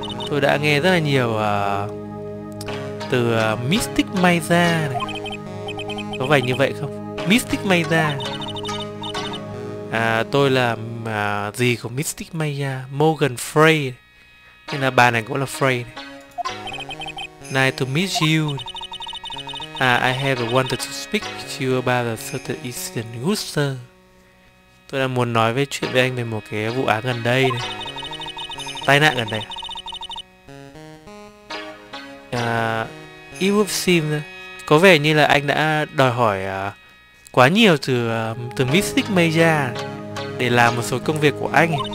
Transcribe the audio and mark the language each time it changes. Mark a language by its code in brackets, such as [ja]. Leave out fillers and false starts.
[vi] Tôi đã nghe rất là nhiều từ Mystic Maya này. Có vẻ như vậy không? Mystic Maya. Tôi là gì của Mystic Maya? Morgan Frey. Nên là bà này cũng là Frey này. [en] Nice to meet you. I have wanted to speak to you about a certain incident, good sir. [vi] Tôi đang muốn nói với chuyện với anh về một cái vụ án gần đây này. Tai nạn gần đây. [en] It would seem, [vi] có vẻ như là anh đã đòi hỏi quá nhiều từ Mystic Maya để làm một số công việc của anh.